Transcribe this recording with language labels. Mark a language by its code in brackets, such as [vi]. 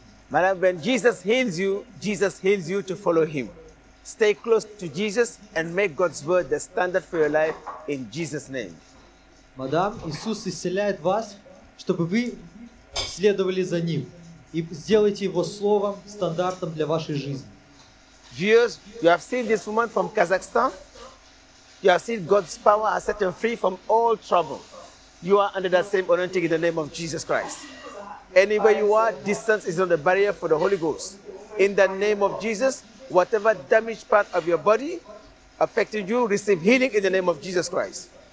[en] Madam, when Jesus heals you to follow Him. Stay close to Jesus and make God's word the standard for your life in Jesus' name. [ru] Madam, Иисус исцеляет вас, чтобы вы следовали за Ним и сделайте Его словом стандартом для вашей жизни. [en] Viewers, you have seen this woman from Kazakhstan. You have seen God's power has set her free from all trouble. You are under that same anointing in the name of Jesus Christ. Anywhere you are, distance is not a barrier for the Holy Ghost. In the name of Jesus, whatever damaged part of your body affecting you, receive healing in the name of Jesus Christ.